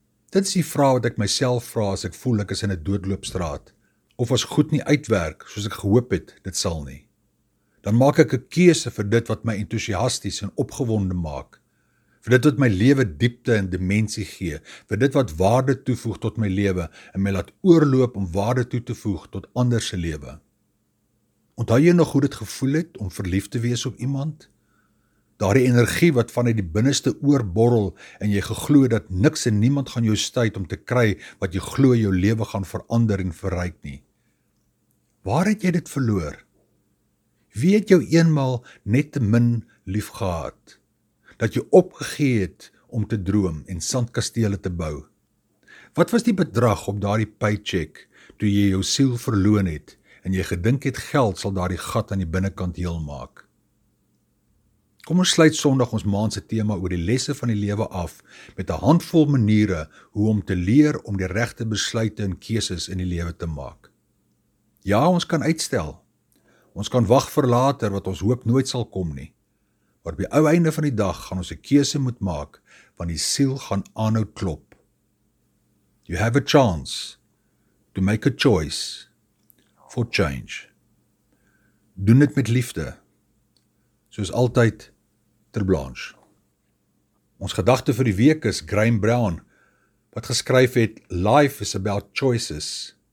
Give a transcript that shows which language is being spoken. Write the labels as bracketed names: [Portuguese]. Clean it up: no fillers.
[Afrikaans] Dit is die vraag wat ek myself vra as ek voel ek is in 'n doodloopstraat, of as goed nie uitwerk soos ek gehoop het, dit sal nie. Dan maak ek 'n keuse vir dit wat my entoesiasties en opgewonde maak, vir dit wat my lewe diepte en dimensie gee, vir dit wat waarde toevoeg tot my lewe en my laat oorloop om waarde toe te voeg tot ander se lewe. Onthou jy nog hoe dit gevoel het om verlief te wees op iemand? Daardie energie wat vanuit die binneste oorborrel en jy geglo dat niks en niemand gaan jou stuit om te kry wat jy glo jou lewe gaan verander en verryk nie. Waar het jy dit verloor? Wie het jou eenmaal net te min lief gehad? Dat jy opgegee het om te droom en sandkastele te bou? Wat was die bedrag op daardie paycheck toe jy jou siel verloon het en jy gedink het geld sal daardie gat aan die binnenkant heel maak? Kom ons sluit Sondag ons maand se tema oor die lesse van die lewe af met 'n handvol maniere hoe om te leer om die regte besluite en keuses in die lewe te maak. Ja, ons kan uitstel. Ons kan wag vir later wat ons hoop nooit sal kom nie. Maar op die ou einde van die dag gaan ons 'n keuse moet maak, want die siel gaan aanhou klop. [English] You have a chance to make a choice for change. [Afrikaans] Doen dit met liefde. Soos altyd, Ter Blanche. Ons gedagte vir die week is Graham Brown, wat geskryf het, [English] Life is about choices.